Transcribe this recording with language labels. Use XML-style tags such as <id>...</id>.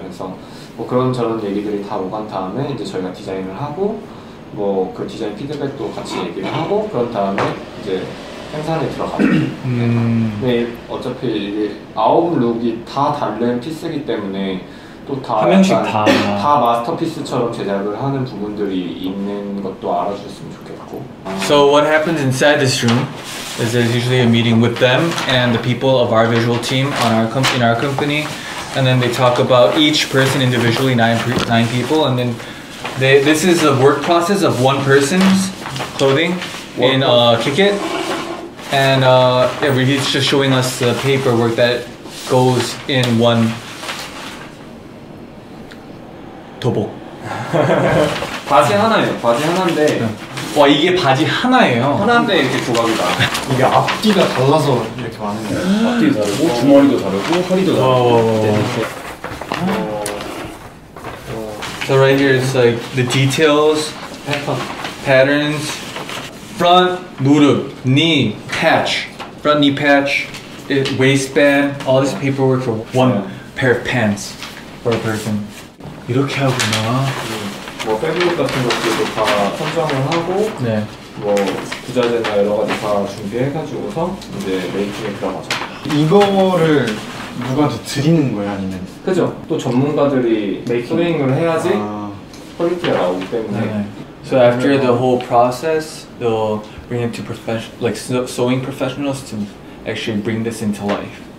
<ko>그래서 뭐 그런 저런 얘기들이 다 오간 다음에 이제 저희가 디자인을 하고 뭐 그 디자인 피드백도 같이 얘기를 하고 그런 다음에 이제 생산에 들어가죠. 네, 어차피 이게 아홉 룩이 다 다른 피스이기 때문에 또 다 한 명씩 다 마스터피스처럼 제작을 하는 부분들이 있는 것도 알아주셨으면 좋겠고.</ko> <en>So what happens inside this room? is there's usually a meeting with them and the people of our visual team on our in our company, and then they talk about each person individually, nine people, and then this is the work process of one person's clothing in Kikit, and he's just showing us the paperwork that goes in one tobok.</en> <ko>바지 하나예요. 바지 하나인데. 와 이게 바지 하나예요. 하나인데 이렇게 조각이다. 이게 앞뒤가 달라서 이렇게 많은데. 앞뒤도 다르고 주머니도 다르고 허리도 다르고. 와.</ko> <en>So right here is like the details, patterns, front 무릎, knee patch, front knee patch, waistband, all this paperwork for one pair of pants for a person.</en> <ko>이렇게 하구나. 뭐 패드립 같은 것들도 다 선정을 하고, 네. 뭐 부자재나 여러 가지 다 준비해가지고서 이제 메이킹에 들어가죠. 이거를 누구한테 드리는 거예요, 아니면? 그죠. 또 전문가들이 메이킹을 해야지 퀄리티가 나오기 때문에. 네.</ko> <en>So after the whole process, they'll bring it to professional, like sewing professionals to actually bring this into life.</en>